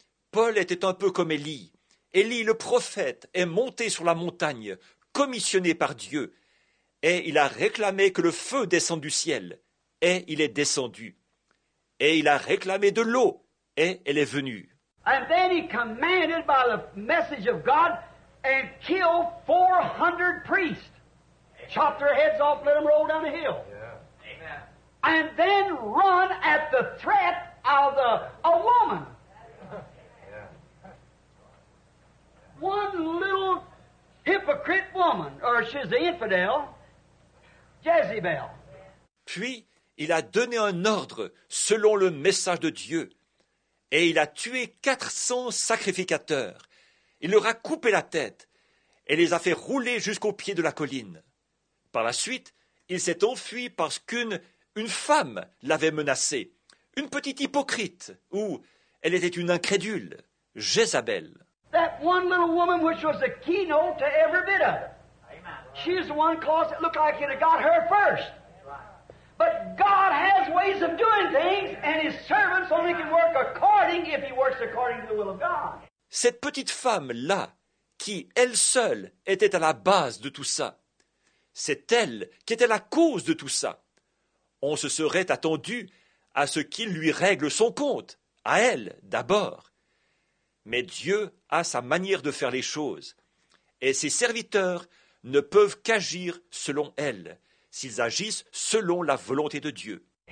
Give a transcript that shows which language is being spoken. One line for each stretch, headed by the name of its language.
French: Paul était un peu comme Élie. Élie, le prophète, est monté sur la montagne, commissionné par Dieu, et il a réclamé que le feu descende du ciel, et il est descendu. Et il a réclamé de l'eau, et elle est venue.
English: And then he commanded by the message of God and kill 400 priests. Chop their heads off, let them roll down the hill. Yeah. Amen. And then run at the threat of a woman. One little hypocrite woman, or she's the infidel, Jezebel.
French: Puis, il a donné un ordre selon le message de Dieu, et il a tué 400 sacrificateurs. Il leur a coupé la tête et les a fait rouler jusqu'au pied de la colline. Par la suite, il s'est enfui parce qu'une femme l'avait menacé, une petite hypocrite, ou elle était une incrédule, Jezabel.
English: That one little woman which was the keynote to every bit of it. She's the one cause it looked like it had got her first. But God has ways of doing things, and his servants only can work according if he works according to the will of God.
French: Cette petite femme-là, qui, elle seule, était à la base de tout ça, c'est elle qui était la cause de tout ça. On se serait attendu à ce qu'il lui règle son compte, à elle, d'abord. Mais Dieu a sa manière de faire les choses, et ses serviteurs ne peuvent qu'agir selon elle, s'ils agissent selon la volonté de Dieu.